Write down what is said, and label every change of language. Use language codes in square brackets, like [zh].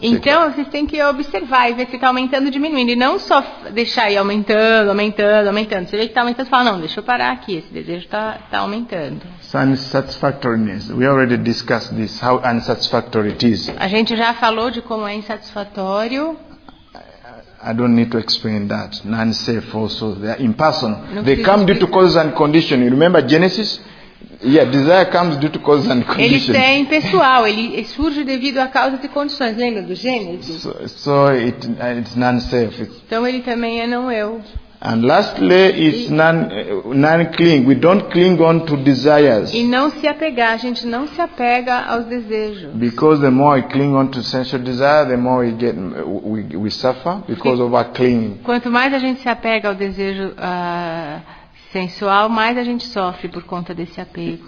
[pt] Então, vocês têm que observar e ver se está aumentando ou diminuindo. E não só deixar ir aumentando. Se ele está aumentando, você fala, não, deixa eu parar aqui. Esse desejo está aumentando. [en] Unsatisfactoriness. We already discussed this, how unsatisfactory it is. A gente já falou de como é insatisfatório. I don't need to explain that. Non-self also, they are impersonal. They come due to causes and conditions. You remember Genesis? Yeah, desire comes due to causes and conditions. [pt] Ele é impessoal, ele surge devido a causas e condições. Lembra do Gênesis? [en] So it's non-self. [pt] Então ele também é não eu. [en] And lastly, it's non-cling. We don't cling on to desires. [pt] E não se apegar, a gente não se apega aos desejos. [en] Because the more we cling on to sensual desire, the more we suffer because of our clinging. [pt] Quanto mais a gente se apega ao desejo sensual, mais a gente sofre por conta desse apego.